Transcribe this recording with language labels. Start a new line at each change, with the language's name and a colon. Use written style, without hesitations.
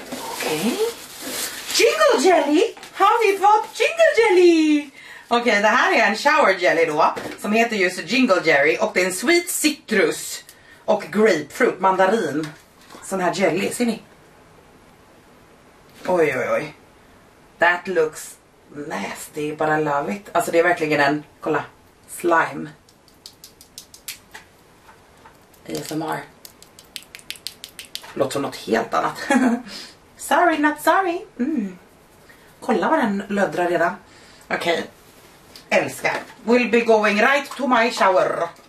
Swedish: Okej. Okay. Jingle jelly! Har vi fått jingle jelly? Okej, okay, det här är en shower jelly då som heter just jingle jelly och det är en sweet citrus och grapefruit, mandarin. Sån här jelly, ser ni? Oj, oj, oj.
English: That looks nasty, but I love it.
Swedish: Alltså det är verkligen en, kolla, slime. ASMR. Låter som något helt annat.
English: Sorry, not sorry.
Swedish: Mm. kolla vad den löddrar redan. Okej. Älskar.
English: We'll be going right to my shower.